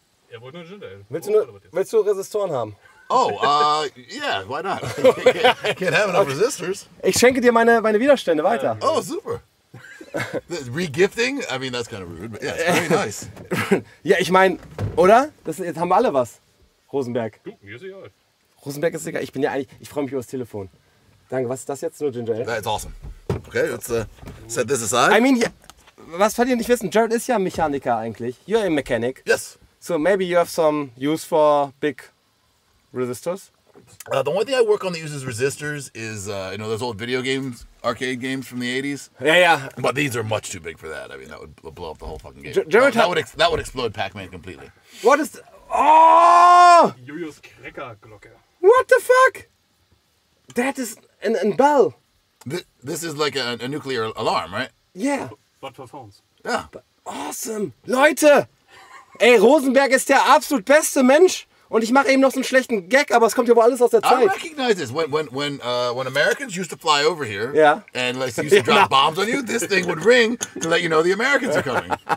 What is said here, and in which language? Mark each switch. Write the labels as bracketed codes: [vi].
[de] Er wollte nur Gin Ale. Willst du Resistoren haben? [en] Oh, yeah, why not? can't have enough resistors. [de] Ich schenke dir meine Widerstände weiter. [en] Yeah. Oh, super. Regifting? I mean, that's kind of rude, but yeah, it's very nice. [de] Ja, ich meine, oder? Jetzt haben wir alle was. Rosenberg. Du, mir ist egal. Rosenberg ist egal. Ich bin ja eigentlich, ich freue mich über das Telefon. Danke, was ist das jetzt? Nur Ginger Ale? [en] That's awesome. Okay, let's set this aside. I mean, [de] was wollt ihr nicht wissen? Jared ist ja ein Mechaniker eigentlich. [en] You're a mechanic. Yes. So maybe you have some use for big resistors? The only thing I work on that uses resistors is, you know, those old video games, arcade games from the 80s? Yeah, yeah. But these are much too big for that. I mean, that would blow up the whole fucking game. That would explode Pac-Man completely. What is... Oh! [de] Julius Knecker-Glocke. [en] What the fuck? That is an bell. This is like a nuclear alarm, right? Yeah. But for phones. Yeah. [de] Awesome. Leute! Ey, Rosenberg ist der absolut beste Mensch. Und ich mache eben noch so einen schlechten Gag, aber es kommt ja wohl alles aus der Zeit. [en] I recognize this. When Americans used to fly over here, yeah, and like, used to yeah, drop bombs on you, this thing would ring to let you know the Americans are coming.